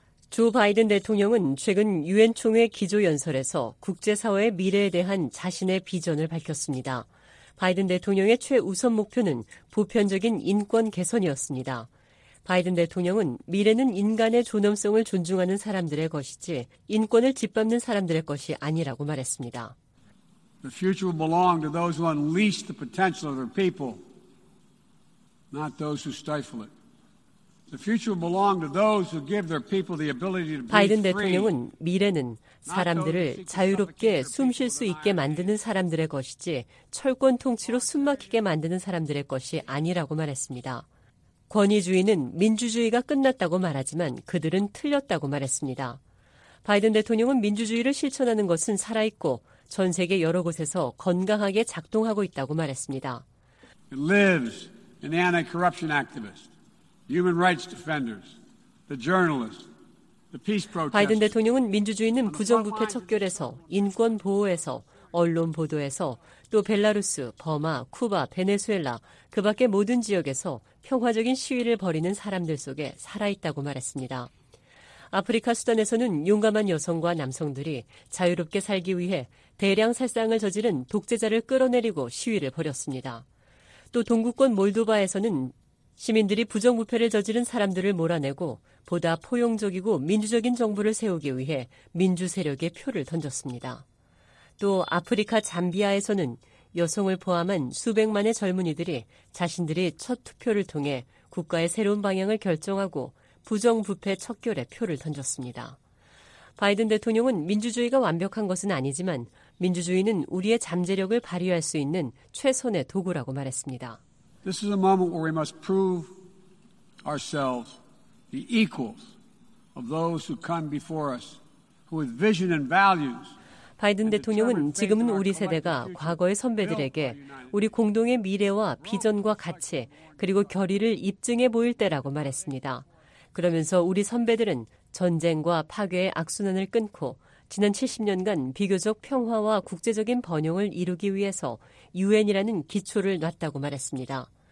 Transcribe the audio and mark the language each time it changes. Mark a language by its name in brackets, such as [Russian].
[Korean] 조 바이든 대통령은 최근 유엔 총회 기조연설에서 국제사회의 미래에 대한 자신의 비전을 밝혔습니다. 바이든 대통령의 최우선 목표는 보편적인 인권 개선이었습니다. 바이든 대통령은 미래는 인간의 존엄성을 존중하는 사람들의 것이지 인권을 짓밟는 사람들의 것이 아니라고 말했습니다. [English] The future will belong to those who unleash the potential of their people, not those who stifle it. The future will belong to those who give their people the ability to be free. [Korean] 바이든 대통령은 미래는 사람들을 자유롭게 숨쉴 수 있게 만드는 사람들의 것이지 철권 통치로 숨막히게 만드는 사람들의 것이 아니라고 말했습니다. 권위주의는 민주주의가 끝났다고 말하지만 그들은 틀렸다고 말했습니다. 바이든 대통령은 민주주의를 실천하는 것은 살아있고 전 세계 여러 곳에서 건강하게 작동하고 있다고 말했습니다. [English] It lives in the anti-corruption activists, human rights defenders, the journalists, the peace protesters. [Korean] 바이든 대통령은 민주주의는 부정부패 척결에서, 인권 보호에서, 언론 보도에서 또 벨라루스, 버마, 쿠바, 베네수엘라 그 밖의 모든 지역에서 평화적인 시위를 벌이는 사람들 속에 살아있다고 말했습니다. 아프리카 수단에서는 용감한 여성과 남성들이 자유롭게 살기 위해 대량 살상을 저지른 독재자를 끌어내리고 시위를 벌였습니다. 또 동구권 몰도바에서는 시민들이 부정부패를 저지른 사람들을 몰아내고 보다 포용적이고 민주적인 정부를 세우기 위해 민주세력의 표를 던졌습니다. 또 아프리카 잠비아에서는 여성을 포함한 수백만의 젊은이들이 자신들이 첫 투표를 통해 국가의 새로운 방향을 결정하고 부정부패 척결에 표를 던졌습니다. 바이든 대통령은 민주주의가 완벽한 것은 아니지만 민주주의는 우리의 잠재력을 발휘할 수 있는 최선의 도구라고 말했습니다. [English] This is a moment where we must prove ourselves the equals of those who come before us who with vision and values. [Korean] 바이든 대통령은 지금은 우리 세대가 과거의 선배들에게 우리 공동의 미래와 비전과 가치 그리고 결의를 입증해 보일 때라고 말했습니다. 그러면서 우리 선배들은 전쟁과 파괴의 악순환을 끊고 지난 70년간 비교적 평화와 국제적인 번영을 이루기 위해서 유엔이라는 기초를 놨다고 말했습니다.